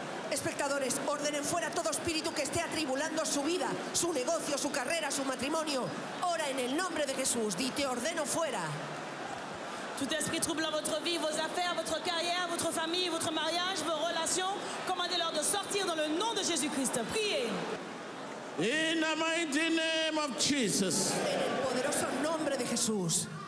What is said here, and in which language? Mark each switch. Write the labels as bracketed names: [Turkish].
[Spanish] Espectadores, ordenen fuera todo espíritu que esté atribulando su vida, su negocio, su carrera, su matrimonio. Ora en el nombre de Jesús, di, te ordeno fuera. [French] Tout esprit troublant votre vie, vos affaires, votre carrière, votre famille, votre mariage, vos relations, commandez-leur de sortir dans le nom de Jésus-Christ. Priez. [English] In the mighty name of Jesus. [Spanish] En el poderoso nombre de Jesús.